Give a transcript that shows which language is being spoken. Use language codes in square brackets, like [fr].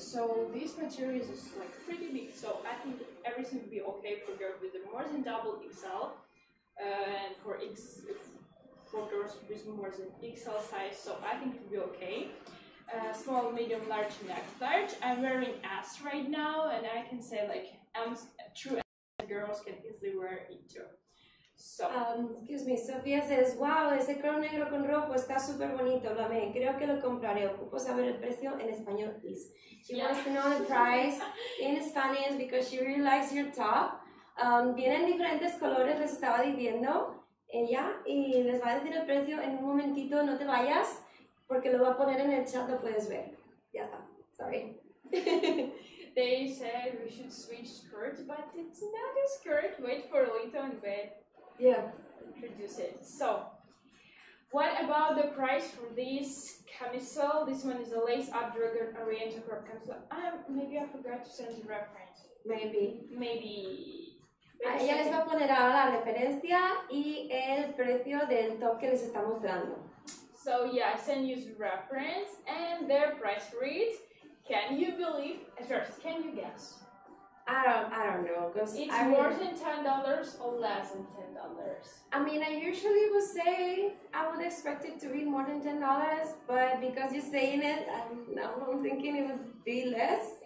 [en] So this material is like pretty big, so I think everything will be okay for girls with more than double XL, and for girls with more than XL size, so I think it will be okay. Small, medium, large, and extra large. I'm wearing S right now, and I can say like M's, true S girls can easily wear it too. So. Excuse me, Sofía says, wow, [es] ese color negro con rojo está súper bonito, lo amé, creo que lo compraré, ocupo saber el precio en español, please. [en] She wants to know the price in Spanish because she really likes your top. [es] Vienen diferentes colores, les estaba diciendo ella, y les va a decir el precio en un momentito, no te vayas, porque lo va a poner en el chat, lo puedes ver. Ya está, [en] sorry. They said we should switch skirt, but it's not a skirt, wait for a little bit. Yeah, introduce it. So what about the price for this camisole? This one is a lace up dragon oriental crop camisole. Maybe I forgot to send the reference. Maybe Wait, [es] ella les va a poner ahora la referencia y el precio del top que les está mostrando. [en] So yeah, I send you the reference and their price reads, can you believe, at first, can you guess? I don't know. It's more than $10 or less than $10. I mean, I usually would say I would expect it to be more than $10, but because you're saying it, I'm thinking it would be less.